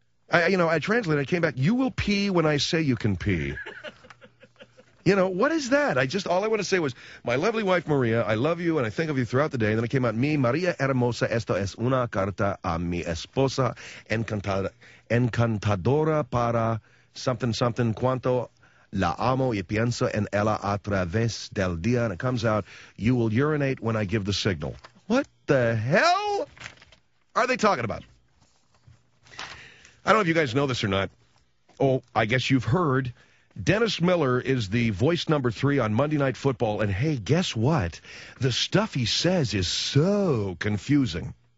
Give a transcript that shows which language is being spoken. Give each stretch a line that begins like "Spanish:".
English: I translated. I came back. You will pee when I say you can pee. You know, what is that? All I want to say was, my lovely wife, Maria, I love you and I think of you throughout the day. And then it came out,
Spanish: mi Maria hermosa, esto es una carta a mi esposa encantadora para
English: something, something,
Spanish: cuanto la amo y pienso en ella a través del día.
English: And it comes out, you will urinate when I give the signal. What the hell are they talking about? I don't know if you guys know this or not. Oh, I guess you've heard. Dennis Miller is the voice number 3 on Monday Night Football. And hey, guess what? The stuff he says is so confusing.